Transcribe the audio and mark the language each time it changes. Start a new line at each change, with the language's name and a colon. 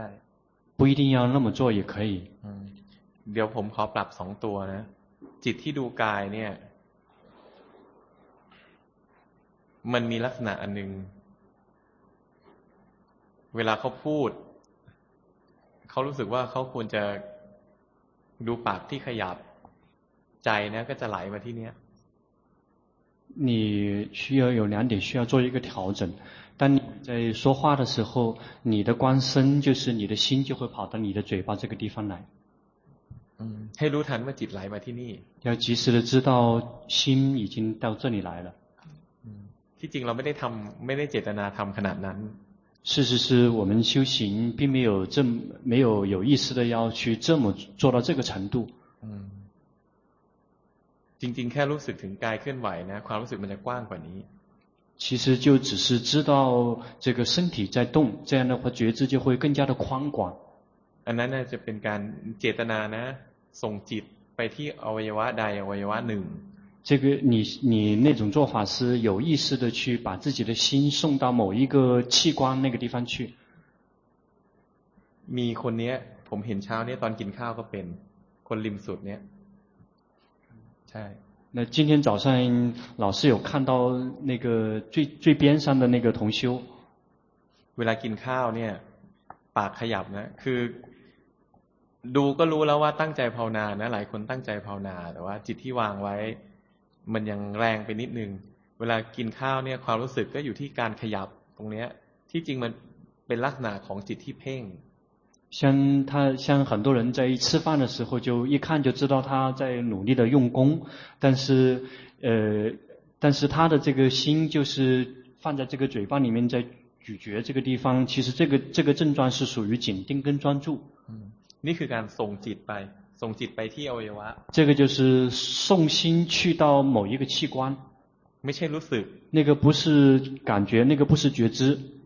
Chinese: 不一定要那么做也可以
Thai: เดี๋ยวผมขอปรับสองตัวนะจิตที่ดูกายเนี่ยมันมีลักษณะอันนึงเวลาเขาพูดเขารู้สึกว่าเขาควรจะดูปากที่ขยับใจนะก็จะไหลมาที่เนี้ย
Chinese: 你需要有两点需要做一个调整当你在说话的时候你的观身就是你的心就会跑到你的嘴巴这个地方来
Thai: ให้รู้ทันว่าจิตไหลมาที่นี่
Chinese: 要及时的知道心已经到这里来了
Thai: ที่จริงเราไม่ได้ทำไม่ได้เจตนาทำขนาดนั้น
Chinese: 事实是我们修行并没有这么没有有意识的要去这么做到这个程度
Thai: จริงๆแค่รู้สึกถึงกายเคลื่อนไหวนะความรู้สึกมันจะกว้างกว่านี้
Chinese: 其实就只是知道这个身体在动这样的话觉知就会更加的宽广
Thai: อันนั้นจะเป็นการเจตนานะส่งจิตไปที่อวัยวะใดอวัยวะหนึ่ง
Chinese: 这个你那种做法是有意识的去把自己的心送到某一个器官那个地方去。
Thai: มีคนเนี้ยผมเห็นเช้าเนี้ยตอนกินข้าวก็เป็นคนริมสุดเนี้ยใช่
Chinese: 那今天早上老师有看到那个最边上的那个同修
Thai: เวลากินข้าวเนี้ยปากขยับนะคือดูก็รู้แล้วว่าตั้งใจภาวนานะหลายคนตั้งใจภาวนาแต่ว่าจิตที่วางไว้มันยังแรงไปนิดนึงเวลากินข้าวเนี่ยความรู้สึกก็อยู่ที่การขยับตรงเนี้ยที่จริงมันเป็นลักษณะของจิตที่เพ่ง
Chinese: 像他像很多人在吃饭的时候就一看就知道他在努力的用功但是他的这个心就是放在这个嘴巴里面在咀嚼这个地方其实这个症状是属于紧盯跟专注
Thai: นี่คือการส่งจิตไปส่งจิตไปที่อวัยวะ
Chinese: 这个就是送心去到某一个器官
Thai: ไม่ใช่รู้สึก
Chinese: 那个不是感觉那个不是觉知